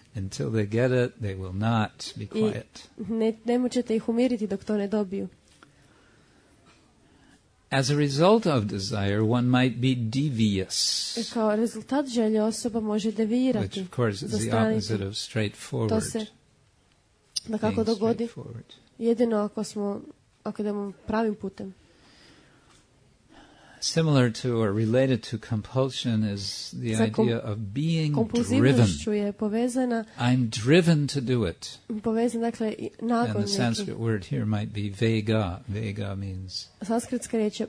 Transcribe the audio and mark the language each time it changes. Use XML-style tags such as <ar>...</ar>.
<en>Until they get it, they will not be quiet.</en> <hr>Ne možete ih umiriti dok to ne dobiju.</hr> <en>As a result of desire, one might be devious.</en> <hr>Kao rezultat želje, osoba može devirati.</hr> <en>Which, of course, is the opposite of straightforward.</en> <hr>To se, da kako dogodi, jedino ako smo... Ako idemo pravim putem.</hr> <en>Similar to or related to compulsion is the idea of being driven.</en> <hr>Je povezana.</hr> <en>I'm driven to do it.</en> <hr>Povezan, dakle, nagon.</hr> <en>And the Sanskrit</en> <hr>neki</hr> <en>word here might be vega. Vega means</en> <hr>sanskritska riječ je</hr>